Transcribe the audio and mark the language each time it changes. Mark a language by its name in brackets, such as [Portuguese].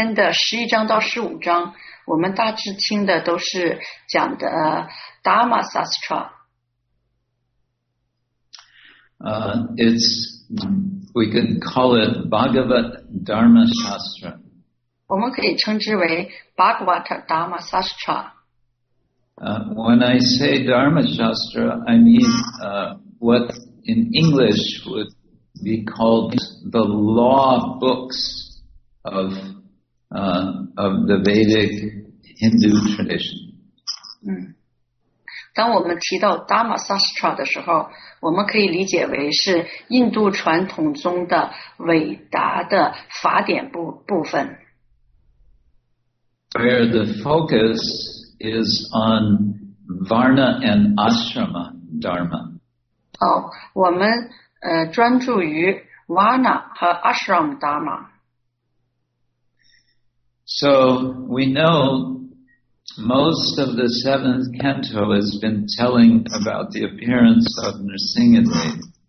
[Chinese] 从第七篇的11章到15章, 我们大致听的都是讲的 Dharma Shastra. [English] It's, we can call it Bhagavad Dharma Shastra. [Chinese] 我们可以称之为 Bhagavad Dharma Shastra. [English] When I say Dharma Shastra, I mean what in English would be called the law books of the Vedic Hindu tradition. [Chinese] 当我们提到 Dharma Shastra 的时候，我们可以理解为是印度传统中的伟大的法典部分。 [English] Where the focus is on varna and ashrama dharma. [Chinese] Oh, 我们, 专注于 varna 和 ashram dharma. [English] So we know most of the seventh canto has been telling about the appearance of Nrsingadev.